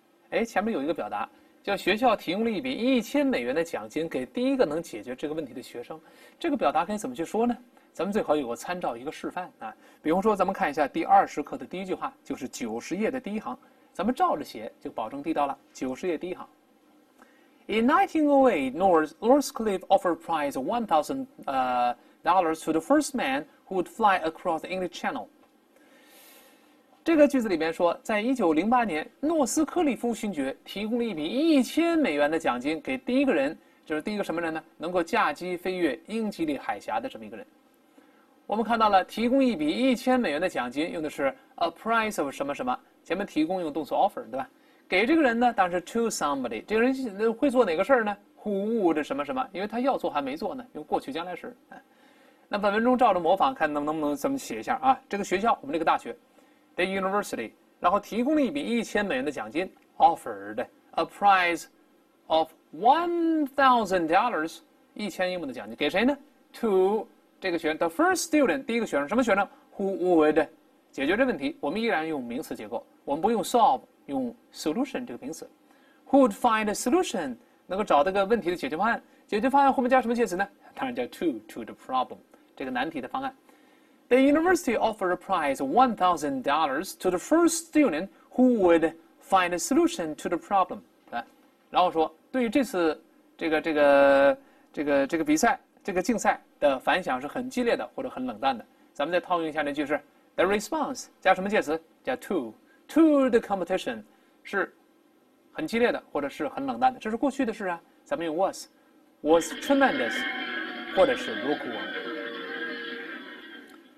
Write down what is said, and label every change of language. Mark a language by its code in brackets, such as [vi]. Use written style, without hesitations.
[zh] 哎，前面有一个表达，叫学校提供了一笔1000美元的奖金给第一个能解决这个问题的学生，这个表达可以怎么去说呢？咱们最好有个参照，一个示范啊。比方说，咱们看一下第20课的第一句话，就是90页的第一行，咱们照着写就保证地道了。 90页第一行 [en] ，In 1908, Northcliffe offered prize $1,000 to the first man who would fly across the English Channel。 [zh] 这个句子里面说，在1908年，诺斯克利夫勋爵提供了一笔1000美元的奖金给第一个人，就是第一个什么人呢？能够驾机飞越英吉利海峡的这么一个人。我们看到了提供一笔1000美元的奖金，用的是 [en] a price of [zh] 什么什么，前面提供用动词 offer， 对吧？给这个人呢，当时 [en] to somebody， [zh] 这个人会做哪个事呢？ [en] who would [zh] 什么什么，因为他要做还没做呢，用过去将来时。那本文中照着模仿看能不能这么写一下啊，这个学校，我们这个大学 [en] the university， [zh] 然后提供了一笔1000美元的奖金， [en] offered a price of $1,000， [zh] 1000英镑的奖金给谁呢？ to这个学生 ， [en] the first student， [zh] 第一个学生，什么学生 ？ [en] Who would [zh] 解决这问题？我们依然用名词结构，我们不用 solve， 用 solution 这个名词。 [en] Who would find a solution？ [zh] 能够找到个问题的解决方案？解决方案后面加什么介词呢？当然叫 [en] to the problem， [zh] 这个难题的方案。 [en] The university offered a prize $1,000 to the first student who would find a solution to the problem。 [zh] 啊，然后说对于这次这个比赛。这个竞赛的反响是很激烈的或者很冷淡的，咱们再套用一下那句是 [en] the response [zh] 加什么介词，加 [en] to the competition， [zh] 是很激烈的或者是很冷淡的，这是过去的事啊，咱们用 [en] was tremendous [zh] 或者是 lukewarm。